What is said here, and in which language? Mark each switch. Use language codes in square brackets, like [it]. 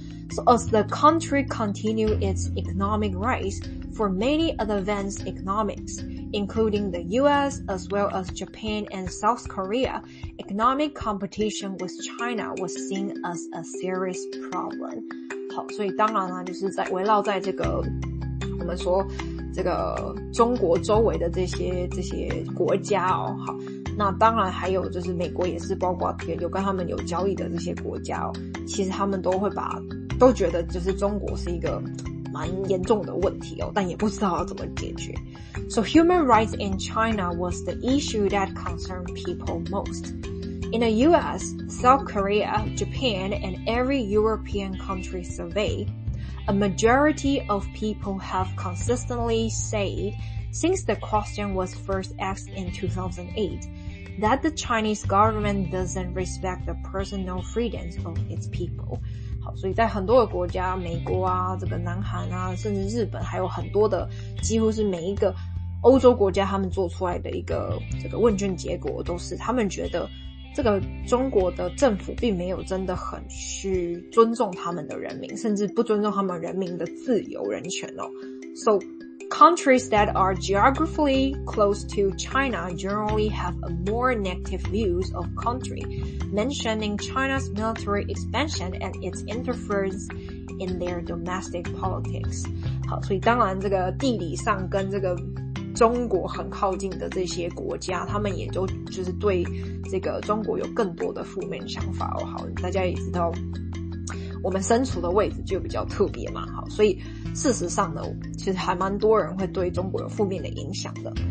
[en] So as the country continued its economic rise for many advanced economies, including the US as well as Japan and South Korea, economic competition with China was seen as a serious problem. [zh] 好，所以当然啦，就是在围绕在这个我们说这个中国周围的这些国家哦，好，那当然还有就是美国也是包括有跟他们有交易的这些国家哦，其实他们都觉得就是中国是一个蛮严重的问题哦，但也不知道要怎么解决。 [en] So human rights in China was the issue that concerned people most. In the US, South Korea, Japan, and every European country surveyed, a majority of people have consistently said, since the question was first asked in 2008, that the Chinese government doesn't respect the personal freedoms of its people. [zh] 好，所以在很多的国家，美国啊，这个南韩啊，甚至日本，还有很多的，几乎是每一个欧洲国家，他们做出来的一个这个问卷结果，都是他们觉得这个中国的政府并没有真的很去尊重他们的人民，甚至不尊重他们人民的自由人权哦。 [en] So countries that are geographically close to China generally have a more negative views of country, mentioning China's military expansion and its interference in their domestic politics. [zh] 好，所以当然这个地理上跟这个中国很靠近的这些国家，他们也就是对这个中国有更多的负面想法哦。好，大家也知道我们身处的位置就比较特别嘛，好，所以事实上呢，其实还蛮多人会对中国有负面的影响的。